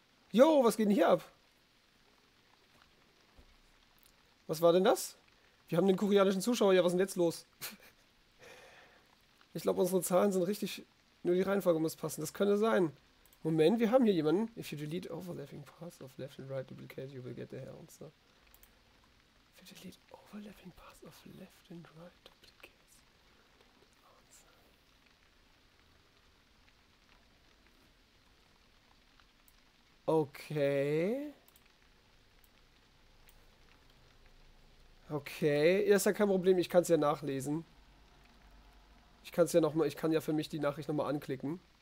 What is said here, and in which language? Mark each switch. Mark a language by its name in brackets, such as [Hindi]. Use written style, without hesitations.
[German] Jo, was geht denn hier ab? Was war denn das? Wir haben den koreanischen Zuschauer. Ja, was ist denn jetzt los? Ich glaube, unsere Zahlen sind richtig. Nur die Reihenfolge muss passen. Das könnte sein. Moment, wir haben hier jemanden. [English] If you delete overlapping paths of left and right duplicate, you will get the hair answer. If you delete overlapping paths of left and right Okay. [German] Okay. Ja, ist ja kein Problem. Ich kann es ja nachlesen. Ich kann es ja noch mal, ich kann ja für mich die Nachricht noch mal anklicken.